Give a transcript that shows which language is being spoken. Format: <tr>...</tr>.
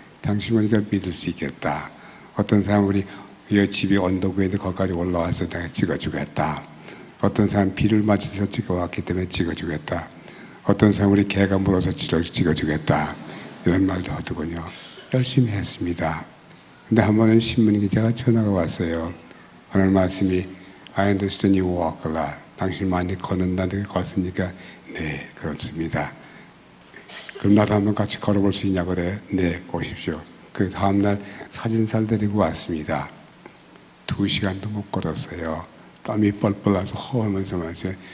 <ko>당신 보니까 믿을 수 있겠다. 어떤 사람 우리 집이 언덕에 있는데 거기까지 올라와서 내가 찍어주겠다. 어떤 사람 비를 맞아서 찍어왔기 때문에 찍어주겠다. 어떤 사람 우리 개가 물어서 찍어주겠다. 이런 말도 하더군요. 열심히 했습니다. 근데 한 번은 신문 기자가 전화가 왔어요. 오늘 말씀이</ko> <en>I understand you walk a lot.</en> <ko>당신 많이 걷는다는 게 걷습니까? 네, 그렇습니다. 그럼 나도 한번 같이 걸어볼 수 있냐고 그래. 네, 오십시오. 그 다음날 사진사를 데리고 왔습니다. 두 시간도 못 걸었어요. 땀이 뻘뻘 나서 허우면서 말이죠.</ko>